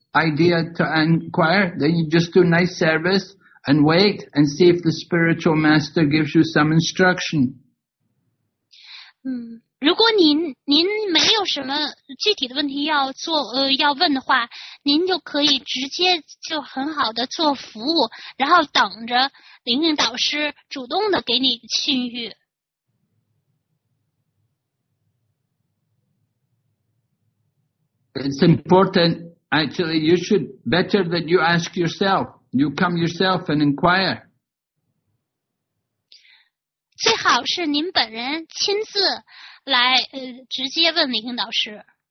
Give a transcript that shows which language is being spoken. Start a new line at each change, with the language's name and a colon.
English: Idea to inquire, then you just do nice service and wait and see if the spiritual master gives you some instruction.
Chinese: 如果您没有什么具体的问题要做要问的话，您就可以直接就很好的做服务，然后等着灵性导师主动的给你训谕。
English: It's important. Actually, you should better that you ask yourself. You come yourself and inquire.
Chinese: 最好是您本人亲自来直接问灵性导师。